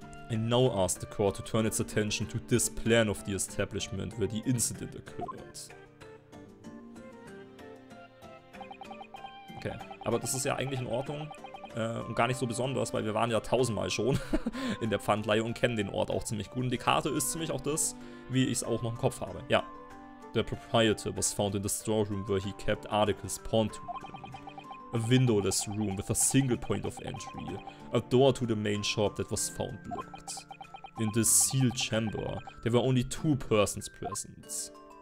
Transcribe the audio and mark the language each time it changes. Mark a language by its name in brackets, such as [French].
[English] And now ask the court to turn its attention to this plan of the establishment where the incident occurred. [German] Okay, aber das ist ja eigentlich in Ordnung. Und gar nicht so besonders, weil wir waren ja tausendmal schon in der Pfandleihe und kennen den Ort auch ziemlich gut. Und die Karte ist ziemlich auch das, wie ich es auch noch im Kopf habe. Ja. [English] The proprietor was found in the storeroom where he kept articles pawned to. A windowless room with a single point of entry. A door to the main shop that was found locked. In this sealed chamber, there were only two persons present.